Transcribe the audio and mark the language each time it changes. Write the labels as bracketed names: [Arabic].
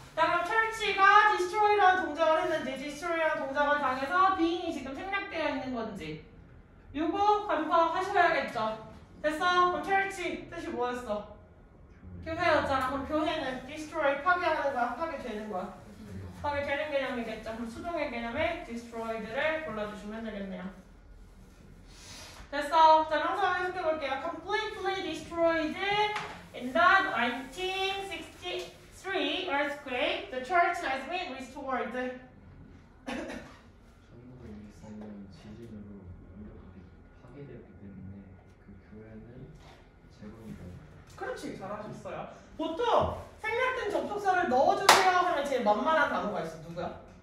[Korean] 자, 그럼 철치가 디스트로이라는 동작을 했는지 디스트로이라는 동작을 당해서 비인이 지금 생략되어 있는 건지 요거 가져가셔야겠죠. 됐어? 그럼 철치 뜻이 뭐였어? 교회였잖아. 그럼 교회는 디스트로이 파괴하는 거야? 파괴되는 거야? 파괴되는 개념이겠죠. 그럼 수동의 개념에 디스트로이드를 골라주시면 되겠네요. 됐어? 자, 명사 한번 해석해볼게요. [English] Completely destroyed in the 1960s Three earthquake, the church has been restored. [Korean] 전국에 있는 지진으로 완벽하게 파괴되었기 때문에 그 교회는 재건되고. 그렇지, 잘하셨어요. 보통 생략된 접속사를 넣어주세요 하면 제일 만만한 단어가 있어. 누구야?